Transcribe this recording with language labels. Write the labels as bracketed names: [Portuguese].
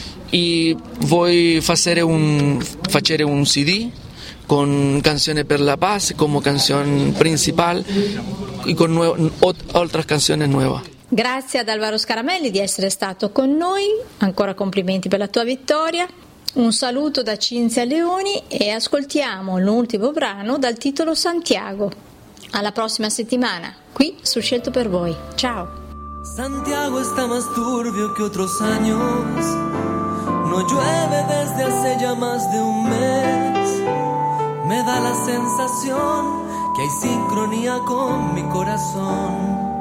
[Spanish] Y voy a hacer un CD con canciones per la paz como canción principal y con otras canciones nuevas. [Italian] Grazie ad Alvaro Scaramelli di essere stato con noi, ancora complimenti per la tua vittoria, un saluto da Cinzia Leoni e ascoltiamo l'ultimo brano dal titolo Santiago. Alla prossima settimana, qui su Scelto per Voi, ciao! [Spanish] Santiago sta más turbio che otros años, no llueve desde hace ya más de un mes, me da la sensación que hay sincronía con mi corazón.